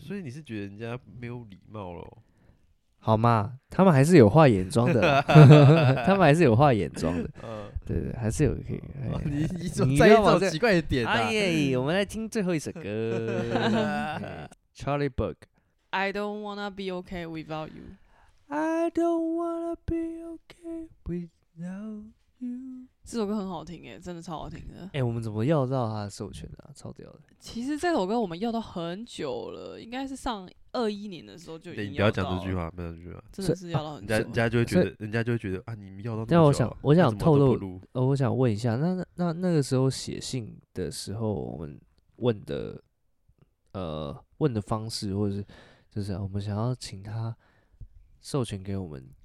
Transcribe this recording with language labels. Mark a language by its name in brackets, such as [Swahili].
[Chinese] 所以你是觉得人家没有礼貌咯？好嘛，他们还是有化眼妆的，他们还是有化眼妆的，对对，还是有可以。你怎么在一种奇怪的点啊？哎，我们来听最后一首歌，Charlie Burke。 [English] I don't wanna be okay without you. I don't wanna be okay without you. [Chinese] 这首歌很好听耶，真的超好听的。哎，我们怎么要到他的授权啊？超屌的。其实这首歌我们要到很久了，应该是上。 2021年的时候就已经要到了，你不要讲这句话，不要讲这句话，真的是要到很久、啊，人家就会觉得，人家就会觉得啊，你们要到那么久、啊。那我想透露、我想问一下，那个时候写信的时候，我们问的方式，或者是就是、我们想要请他授权给我们，